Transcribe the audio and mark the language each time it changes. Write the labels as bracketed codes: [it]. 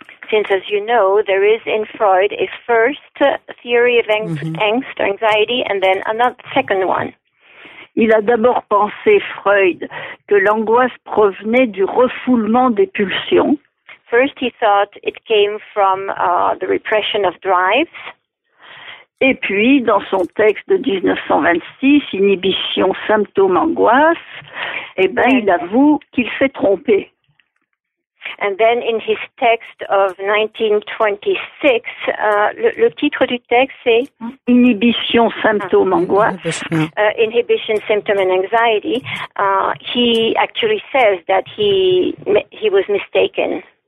[en] Since, as you know, there is in Freud a first theory of angst, anxiety, and then another second one. [fr] Il a d'abord pensé, Freud, que l'angoisse provenait du refoulement des pulsions. [en] First he thought it came from the repression of drives. [fr] Et puis, dans son texte de 1926, Inhibition, symptômes, angoisse, Eh ben, il avoue qu'il s'est trompé. [en] And then in his text of 1926, [fr] le titre du texte c'est Inhibition, symptômes, angoisse. [en] Inhibition, symptom and anxiety. He actually says that he was mistaken.